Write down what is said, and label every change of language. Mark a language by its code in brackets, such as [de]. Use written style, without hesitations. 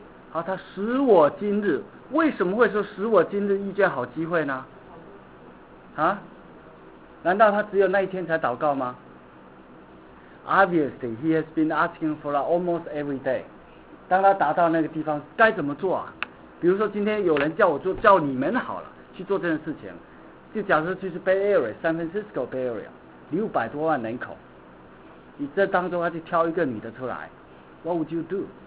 [zh] 好，他使我今日，为什么会说使我今日遇见好机会呢？啊？难道他只有那一天才祷告吗？ [en] Obviously, he has been asking for almost every day. [zh] 当他达到那个地方，该怎么做啊？比如说今天有人叫我做，叫你们好了去做这件事情，就假设就是 Bay Area, San Francisco Bay Area, 600多万人口，你这当中要去挑一个女的出来， [en] What would you do?